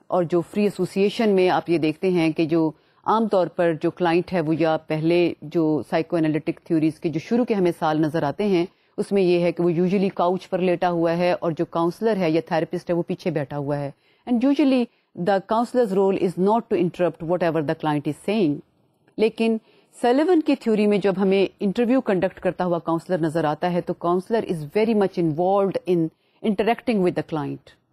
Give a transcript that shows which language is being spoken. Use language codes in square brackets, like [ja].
[ur] اور جو free association میں آپ یہ دیکھتے ہیں کہ جو عام طور پر جو کلائنٹ ہے وہ یا پہلے جو سائیکو انالیٹک تھیوریز کے جو شروع کے ہمیں سال نظر آتے ہیں اس میں یہ ہے کہ وہ یوزلی کاؤچ پر لیٹا ہوا ہے اور جو کاؤنسلر ہے یا تھراپسٹ ہے وہ پیچھے بیٹھا ہوا ہے. [en] And usually the counsellor's role is not to interrupt whatever the client is saying. [ur] لیکن سلیون کی تھیوری میں جب ہمیں انٹرویو کنڈکٹ کرتا ہوا کاؤنسلر نظر آتا ہے تو [en] Counsellor is very much involved interacting with the client.